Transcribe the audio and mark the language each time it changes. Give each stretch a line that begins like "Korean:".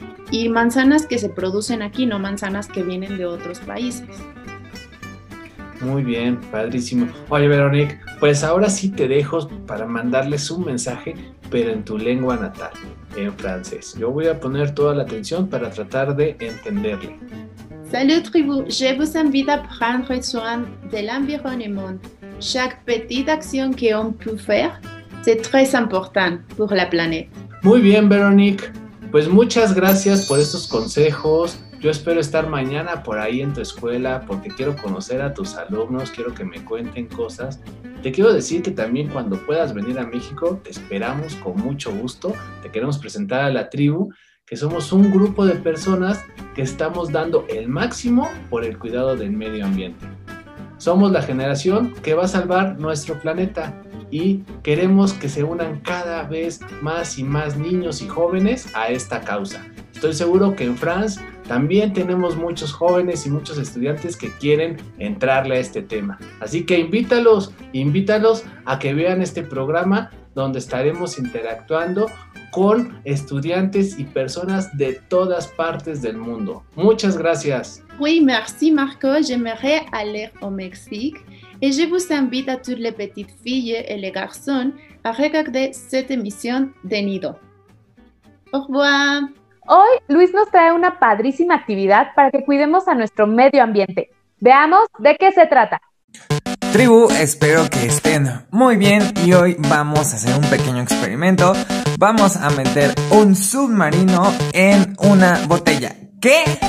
Spanish: Y manzanas que se producen aquí, no manzanas que vienen de otros países. Muy bien, padrísimo. Oye, Veronique, pues ahora sí te dejo para mandarles un mensaje, pero en tu lengua natal, en francés. Yo voy a poner toda la atención para tratar de entenderle.
French: Salut, tribu. Je vous invite à prendre soin de l'environnement. Chaque petite action que on peut faire, c'est très important pour la planète.
Spanish: Muy bien, Veronique. Pues muchas gracias por estos consejos. Yo espero estar mañana por ahí en tu escuela porque quiero conocer a tus alumnos, quiero que me cuenten cosas. Te quiero decir que también cuando puedas venir a México, te esperamos con mucho gusto. Te queremos presentar a la tribu, que somos un grupo de personas que estamos dando el máximo por el cuidado del medio ambiente. Somos la generación que va a salvar nuestro planeta. y queremos que se unan cada vez más y más niños y jóvenes a esta causa. Estoy seguro que en France también tenemos muchos jóvenes y muchos estudiantes que quieren entrarle a este tema. Así que invítalos a que vean este programa donde estaremos interactuando con estudiantes y personas de todas partes del mundo. Muchas gracias.
French: Oui, merci Marco. J'aimerais aller au Mexique et je vous invite à toutes les petites filles et les garçons à regarder cette émission de Nido. Au revoir.
Spanish: Hoy Luis nos trae una padrísima actividad para que cuidemos a nuestro medio ambiente. Veamos de qué se trata. Tribu, espero que estén muy bien y hoy vamos a hacer un pequeño experimento. Vamos a meter un submarino en una botella. ¿Qué?